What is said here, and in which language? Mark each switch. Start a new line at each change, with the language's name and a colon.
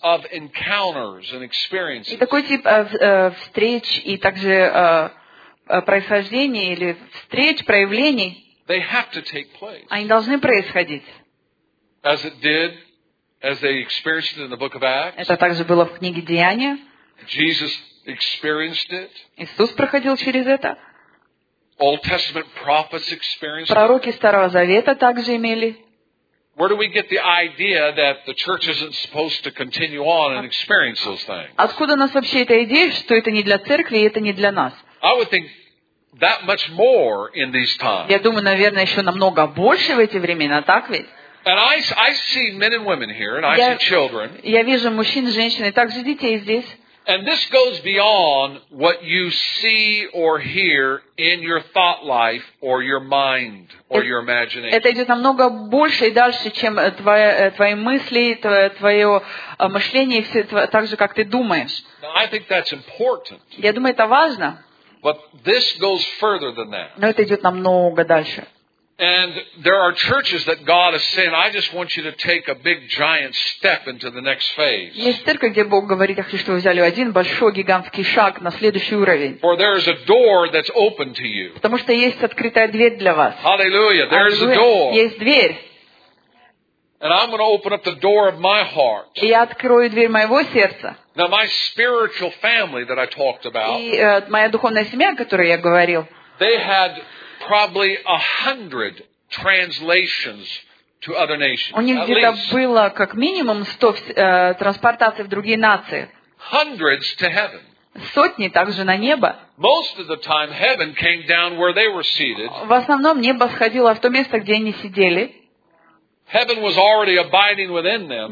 Russian: И такой тип встреч и также происхождений или встреч, проявлений,
English: they have to take place.
Russian: Они должны происходить.
English: As it did. As they experienced it in the book of Acts.
Russian: Это также было в книге Деяния.
English: Jesus experienced it.
Russian: Иисус проходил через это.
English: Old Testament prophets experienced.
Russian: Пророки Старого Завета также имели.
English: Where do we get the idea that the church isn't supposed to continue on and experience those things?
Russian: Откуда у нас вообще эта идея, что это не для церкви и это не для нас?
English: I would think that much more in these times.
Russian: Я думаю, наверное, еще намного больше в эти времена, так ведь?
English: And I see men and women here, and I see children.
Russian: Я вижу мужчин, женщин, и также детей здесь.
English: And this goes beyond what you see or hear in your thought life or your mind or your imagination.
Russian: Это идет намного больше и дальше, чем твои мысли, твое мышление, все так же, как ты думаешь.
English: Now, I think that's important.
Russian: Я думаю, это важно.
English: But this goes further than that.
Russian: Но это идет намного дальше.
English: And there are churches that God is saying, I just want you to take a big giant step into the next phase.
Russian: Есть церковь, где Бог говорит, я хочу, чтобы вы взяли один большой гигантский шаг на следующий уровень.
English: For there is a door that's open to you.
Russian: Потому что есть открытая дверь для вас.
English: Hallelujah, there is a door.
Russian: Есть дверь.
English: And I'm going to open up the door of my heart.
Russian: И я открою дверь моего сердца.
English: Now my spiritual family that I talked about.
Russian: И моя духовная семья, о которой я говорил.
English: They had probably 100 translations to other nations.
Russian: У них где-то было как минимум 100 транспортаций в другие нации.
English: Hundreds to heaven.
Russian: Сотни также на небо.
English: Most of the time heaven came down where they were seated.
Russian: В основном небо сходило в то место, где они сидели.
English: Heaven was already abiding within them.